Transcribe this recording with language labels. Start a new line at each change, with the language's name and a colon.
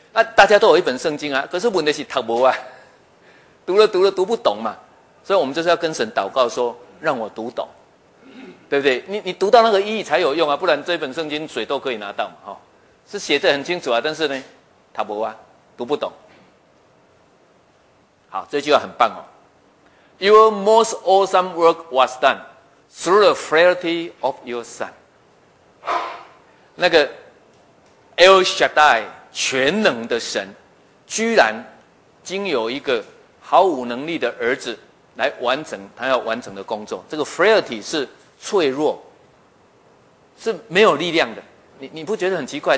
Chinese: 那大家都有一本圣经啊，可是问题是读不啊，读了读不懂嘛。所以我们就是要跟神祷告说，让我读懂。” 对不对？你读到那个意义才有用啊，不然这本圣经谁都可以拿到嘛，哈、哦，是写得很清楚啊，但是呢，他不啊，读不懂。好，这句话很棒哦。
English: Your most awesome work was done through the frailty of your son。
Chinese: 那个 El Shaddai 全能的神，居然经由一个毫无能力的儿子来完成他要完成的工作。这个 frailty 是脆弱，是没有力量的。你不觉得很奇怪？